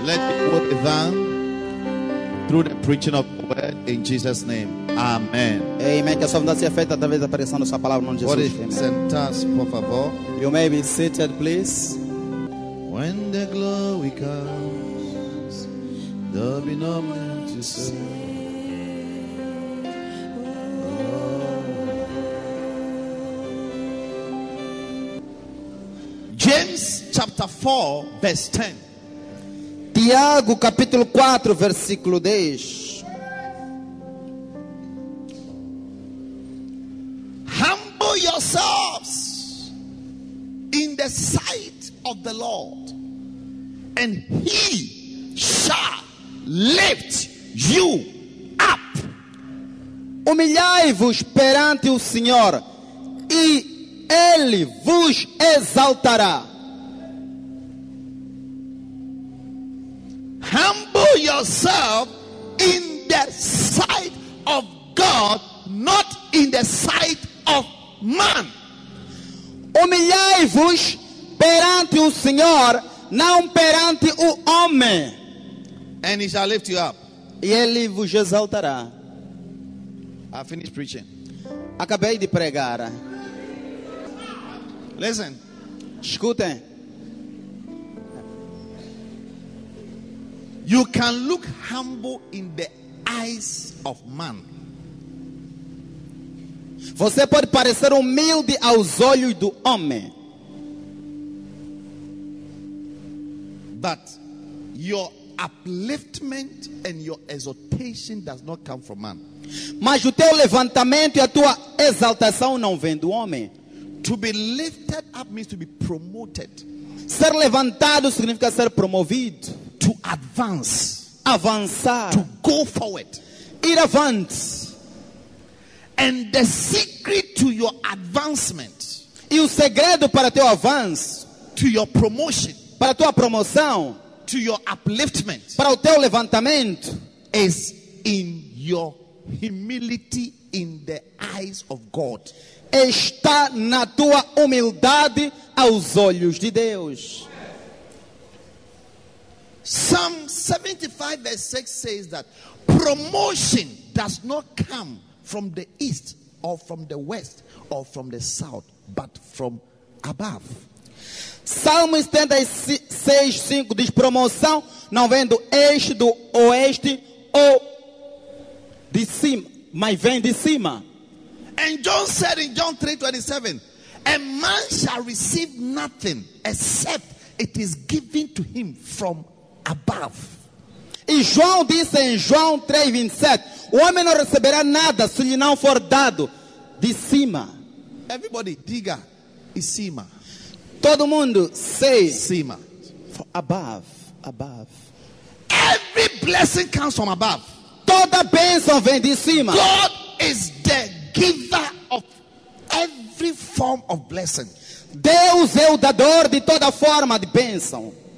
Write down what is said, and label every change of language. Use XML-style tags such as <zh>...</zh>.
<en>Let it work done through the preaching of the word in Jesus' name. Amen. Amen.</en> <pt>Que a sua vontade seja feita através da pregação da sua palavra no nome de Jesus. Pode sentar-se, por favor.</pt> <en>You may be seated, please. When the glory comes, there'll be no man to say. James chapter 4 verse 10.</en> <pt>Tiago capítulo 4 versículo 10.</pt> <en>Humble yourselves in the sight of the Lord, and he shall lift you up.</en> <pt>Humilhai-vos perante o Senhor e ele vos exaltará.</pt> <en>Humble yourself in the sight of God, not in the sight of man.</en> <pt>Humilhai-vos perante o Senhor, não perante o homem.</pt> <en>And he shall lift you up.</en> <pt>E ele vos exaltará.</pt> <en>I finished preaching.</en> <pt>Acabei de pregar.</pt> <en>Listen.</en> <pt>Escutem.</pt> <en>You can look humble in the eyes of man.</en> <pt>Você pode parecer humilde aos olhos do homem.</pt> <en>But your upliftment and your exaltation does not come from man.</en> <pt>Mas o teu levantamento e a tua exaltação não vem do homem.</pt> <en>To be lifted up means to be promoted.</en> <pt>Ser levantado significa ser promovido.</pt> <en>To advance.</en> <pt>Avançar.</pt> <en>To go forward.</en> <pt>Ir avante.</pt> <en>And the secret to your advancement.</en> <pt>E o segredo para teu avanço.</pt> <en>To your promotion.</en> <pt>Para tua promoção.</pt> <en>To your upliftment.</en> <pt>Para o teu levantamento.</pt> <en>Is in your humility in the eyes of God.</en> <pt>Está na tua humildade aos olhos de Deus.</pt> <en>Psalm 75 verse 6 says that promotion does not come from the east or from the west or from the south, but from above.</en> <pt>Salmo 76, 5 diz: promoção não vem do este, do oeste ou de cima, mas vem de cima.</pt> <en>And John said in John 3:27, a man shall receive nothing except it is given to him from above.</en> <pt>E João disse em João 3:27, o homem não receberá nada se lhe não for dado de cima.</pt> <en>Everybody</en> <pt>diga em cima. Todo mundo</pt> <en>say</en> <pt>cima.</pt> <en>From above, above. Every blessing comes from above.</en> <pt>Toda bênção vem de cima.</pt> <en>God is the giver of every form of blessing.</en> <pt>Deus é o dador de toda forma de bênção.</pt>